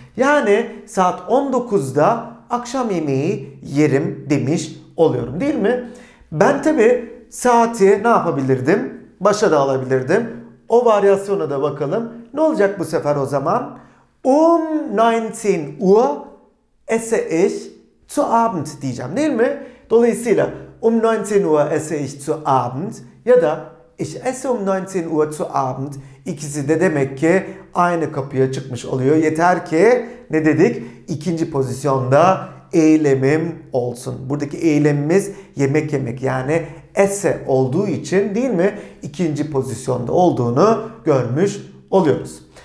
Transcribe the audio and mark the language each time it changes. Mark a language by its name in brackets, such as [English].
[Turkish] Yani saat 19'da akşam yemeği yerim demiş oluyorum değil mi? Ben tabi saati ne yapabilirdim? Başa da alabilirdim. O varyasyona da bakalım. Ne olacak bu sefer o zaman? [German] 19 Uhr esse ich zu Abend [Turkish] diyeceğim değil mi? Dolayısıyla [German] 19 Uhr esse ich zu Abend [Turkish] ya da [German] ich esse 19 Uhr zu Abend. [Turkish] İkisi de demek ki aynı kapıya çıkmış oluyor. Yeter ki ne dedik? İkinci pozisyonda eylemim olsun. Buradaki eylemimiz yemek yemek yani esse olduğu için değil mi? İkinci pozisyonda olduğunu görmüş oluyoruz.